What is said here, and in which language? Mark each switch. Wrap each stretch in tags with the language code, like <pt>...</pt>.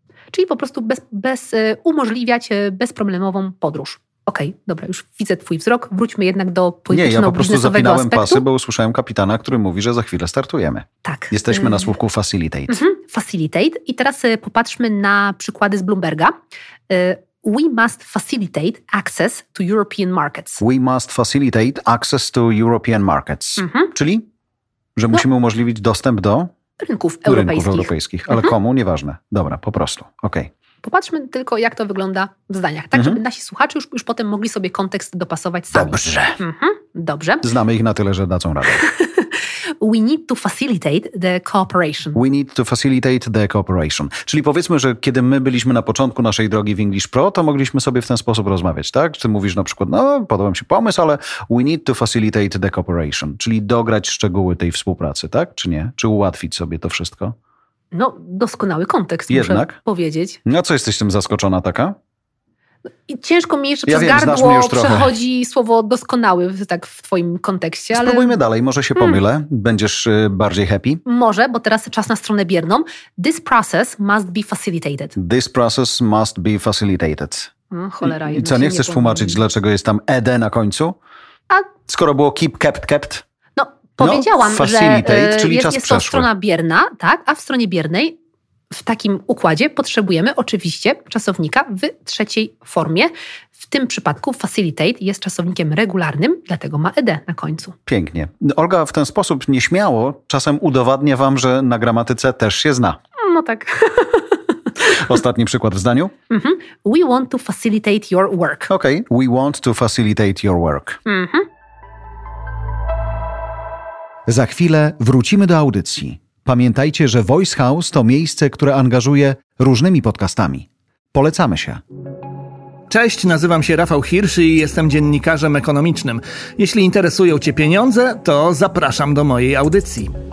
<pl>Czyli po prostu bez umożliwiać bezproblemową podróż. Okej, okay, dobra, już widzę twój wzrok. Wróćmy jednak do polityczno-biznesowego aspektu. Nie, ja po prostu zapinałem pasy, bo usłyszałem kapitana, który mówi, że za chwilę startujemy. Tak. Jesteśmy na słówku facilitate. Mm-hmm. Facilitate. I teraz popatrzmy na przykłady z Bloomberga.</pl> <en>We must facilitate access to European markets. We must facilitate access to European markets. Mm-hmm.</en> <pl>Czyli, że musimy umożliwić dostęp do... Rynków europejskich. Ale komu? Nieważne. Dobra, po prostu. Okej. Okay. Popatrzmy tylko, jak to wygląda w zdaniach. Tak, żeby nasi słuchacze już potem mogli sobie kontekst dopasować sami. Dobrze. Mm-hmm. Dobrze. Znamy ich na tyle, że dadzą radę.</pl> <en>We need to facilitate the cooperation. We need to facilitate the cooperation.</en> <pl>Czyli powiedzmy, że kiedy my byliśmy na początku naszej drogi w English Pro, to mogliśmy sobie w ten sposób rozmawiać, tak? Ty mówisz na przykład, no, podoba mi się pomysł, ale</pl> <en>we need to facilitate the cooperation.</en> <pl>Czyli dograć szczegóły tej współpracy, tak? Czy nie? Czy ułatwić sobie to wszystko? No, doskonały kontekst, jednak, muszę powiedzieć. No, co jesteś tym zaskoczona taka? I ciężko mi jeszcze gardło przechodzi słowo doskonały tak w twoim kontekście. Ale... Spróbujmy dalej, może się pomylę. Będziesz bardziej happy? Może, bo teraz czas na stronę bierną.</pl> <en>This process must be facilitated. This process must be facilitated.</en> <pl>No, cholera. I co, nie chcesz tłumaczyć, dlaczego jest tam ed na końcu? A... Skoro było keep, kept, kept? No, powiedziałam, no, że czyli jest, czas jest to strona bierna, tak, a w stronie biernej w takim układzie potrzebujemy oczywiście czasownika w trzeciej formie. W tym przypadku facilitate jest czasownikiem regularnym, dlatego ma ed na końcu. Pięknie. Olga w ten sposób nieśmiało czasem udowadnia wam, że na gramatyce też się zna. No tak. Ostatni przykład w zdaniu. Mm-hmm.</pl> <en>We want to facilitate your work. Okej. Okay. We want to facilitate your work. Mm-hmm.</en> <pl>Za chwilę wrócimy do audycji. Pamiętajcie, że Voice House to miejsce, które angażuje różnymi podcastami. Polecamy się. Cześć, nazywam się Rafał Hirszy i jestem dziennikarzem ekonomicznym. Jeśli interesują Cię pieniądze, to zapraszam do mojej audycji.</pl>